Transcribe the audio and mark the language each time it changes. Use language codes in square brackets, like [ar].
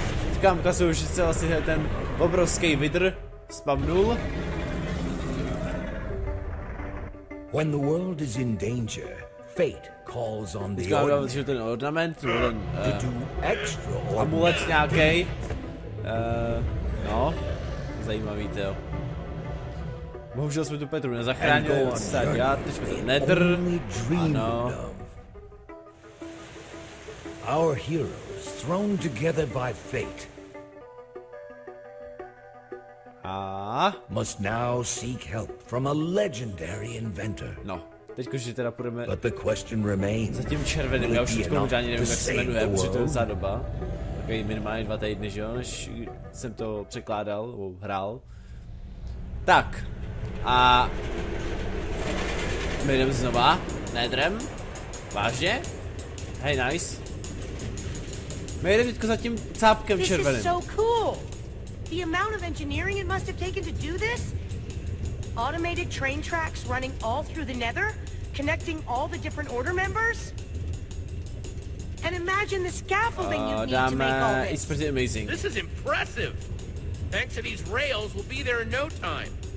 [cs] Teďka vám ukazuju, že se vlastně ten obrovský vidr spamnul. [en] When the world is in danger, fate calls on the ornament. [cs] Teďka ten ornament, ten amulet nějakej. No, zajímavý to. Bohužel jsme tu Petru nezachránili, co se dělá, teď jsme to Nether, ano. [en] Our heroes thrown together by fate. A must now seek help from a legendary inventor. [cs] No, teďko, že teda půjdeme za tím červeným, já už teďko nevím, jak se jmenuje, protože to je docela doba. Takový minimálně 2 týdny, že jo, než jsem to překládal, nebo hrál. Tak, a my jdeme znova, Nedrem, vážně, hej, nice. My jdeme teďko za tím cápkem červeným. To je tak cool! [en] The amount of engineering it must have taken to do this? Automated train tracks running all through the Nether, connecting all the different order members? And imagine the scaffolding you need to make all this. It's pretty amazing. This is impressive. Thanks to these rails, we'll be there in no time.